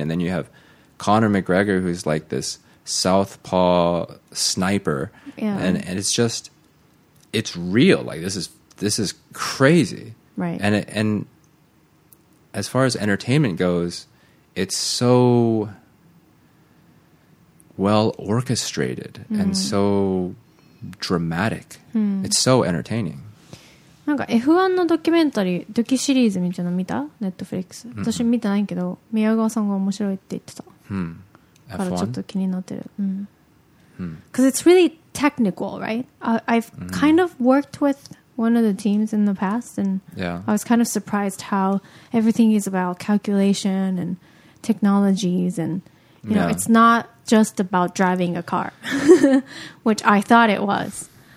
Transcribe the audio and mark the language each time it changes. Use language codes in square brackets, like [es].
[en] And then you have Conor McGregor, who's like this southpaw sniper, and it's just, it's real. Like this is crazy, right? And as far as entertainment goes, it's so well orchestrated and so dramatic. It's so entertaining. [ja] なんか F1 のドキュメンタリー、ドキシリーズみたいなの見た？ Netflix。私見てないけど、宮川さんが面白いって言ってた。 [en] F1? [ja] からちょっと気になってる。 [en] Because it's really technical, right? I've kind of worked with one of the teams in the past, and I was kind of surprised how everything is about calculation and technologies, and you know, it's not just about driving a car, which I thought it was.